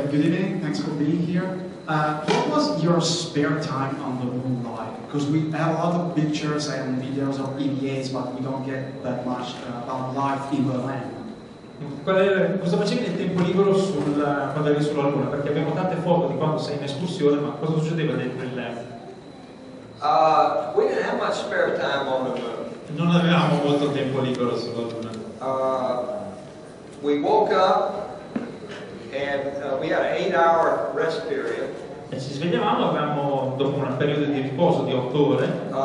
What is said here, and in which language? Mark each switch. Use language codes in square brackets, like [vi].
[en] Good evening, thanks for being here. What was your spare time on the moon like? Because we have a lot of pictures and videos of EVAs, but we don't get that much about life in the land. [it] Cosa facevi nel tempo libero quando eri sulla Luna? Perché abbiamo tante foto di quando sei in escursione, ma cosa succedeva dentro il land? [en] We didn't have much spare time on the moon. [it] Non avevamo molto tempo libero sulla Luna. [en] We woke up and we had an 8-hour rest period. [it] E ci svegliavamo, avevamo dopo un periodo di riposo di 8 ore.